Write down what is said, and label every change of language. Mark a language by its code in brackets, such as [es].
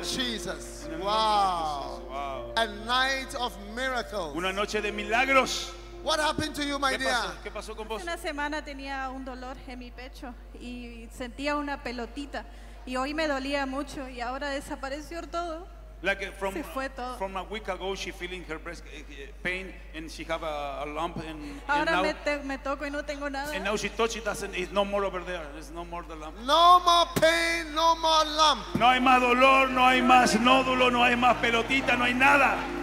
[en] Of Jesus. Wow. Wow. A night of miracles. [es] Una noche de milagros. [en] What happened to you, my [es] ¿Qué pasó? [en] Dear? [es] ¿Qué pasó con vos? Una semana tenía un dolor en mi pecho y sentía una pelotita y hoy me dolía mucho y ahora desapareció todo. [en] Like from a week ago, she feeling her breast pain and she have a lump and [es] ahora [en] and now, [es] me toco y no tengo nada. [en] And now she touch it, doesn't it's no more over there. It's no more the lump. No more pain, no more lump. [es] No hay más dolor, no hay más nódulo, no hay más pelotita, no hay nada.